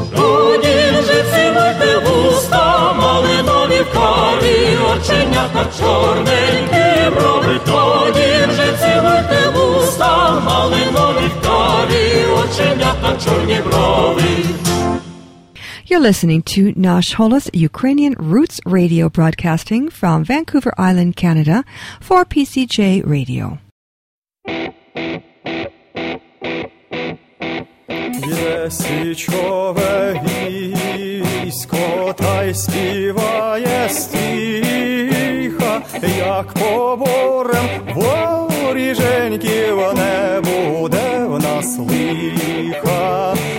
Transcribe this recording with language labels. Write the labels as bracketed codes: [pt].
[uk] тоді вже цілуйте вуста, малинові карі, оченята чорненькі брови. Тоді вже цілуйте вуста, малинові карі, оченята чорні брови. [en] You're listening to Nash Holos Ukrainian Roots Radio Broadcasting from Vancouver Island, Canada, for PCJ Radio. [uk] Yes, чове військо та й співає стиха, як поборем вороженьків не буде в нас лиха.